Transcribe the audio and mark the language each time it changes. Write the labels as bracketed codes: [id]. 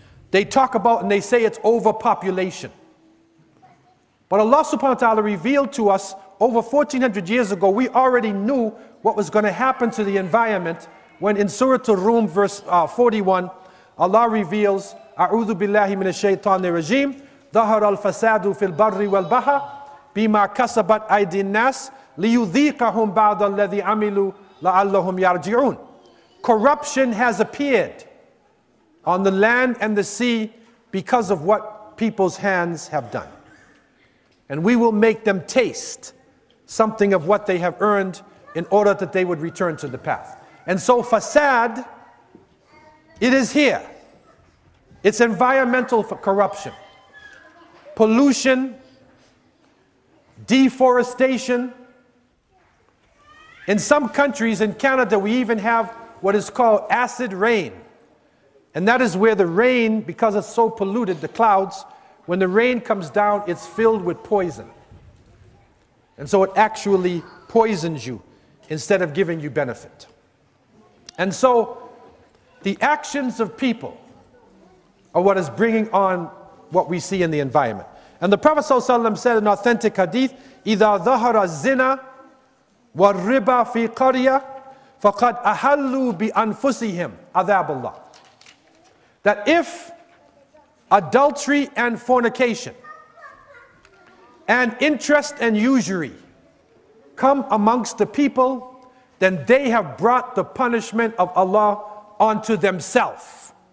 [en] They talk about and they say it's overpopulation. But Allah subhanahu wa ta'ala revealed to us over 1400 years ago, we already knew what was going to happen to the environment when in Surah Ar-Rum verse 41, Allah reveals, [ar] "A'udhu billahi minash shaitani rajim. ظهر الفساد في البر والبحر بما كسبت أيدي الناس ليذيقهم بعض الذي عملوا لعلهم يرجعون." [en] Corruption has appeared on the land and the sea because of what people's hands have done. And we will make them taste something of what they have earned in order that they would return to the path. And so fasad, it is here. It's environmental corruption. Pollution, deforestation. In some countries, in Canada, we even have what is called acid rain. And that is where the rain, because it's so polluted, the clouds, When the rain comes down, it's filled with poison. And so it actually poisons you instead of giving you benefit. And so the actions of people are what is bringing on what we see in the environment. And the Prophet ﷺ said in authentic hadith, [ar] إِذَا ظَهَرَ الزِّنَا وَالرِّبَا فِي قَرْيَةٍ فَقَدْ أَحَلُّوا بِأَنفُسِهِمْ عَذَابَ اللَّهِ. [en] That if adultery and fornication and interest and usury come amongst the people, then they have brought the punishment of Allah onto themselves.